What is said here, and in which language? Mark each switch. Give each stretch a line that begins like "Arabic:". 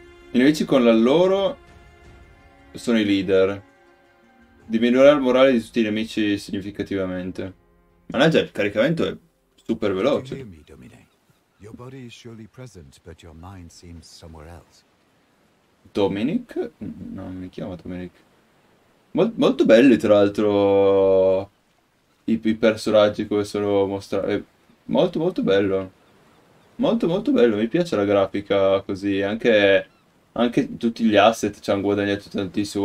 Italian: Invece con la loro sono i leader. Diminuirà il morale di tutti i nemici significativamente. Mannaggia, il caricamento è super veloce. Me, Domine.
English: Your body is surely present, but your mind seems somewhere else.
Italian: Dominic? Non mi chiama Dominic. Molto belli tra l'altro i personaggi come sono mostrati. Molto bello. Molto bello. Mi piace la grafica così. Anche tutti gli asset ci hanno guadagnato tantissimo.